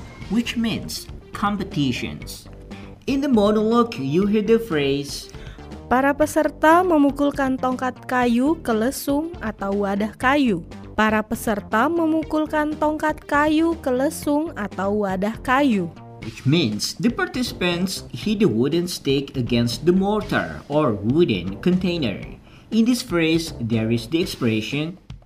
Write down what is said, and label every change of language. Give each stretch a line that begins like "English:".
English: Which means competitions. In the monologue, you hear the phrase,
Indonesian: para peserta memukulkan tongkat kayu ke lesung atau wadah kayu. Para peserta memukulkan tongkat kayu ke lesung atau wadah kayu.
English: Which means the participants hit the wooden stick against the mortar or wooden container. In this phrase, there is the expression,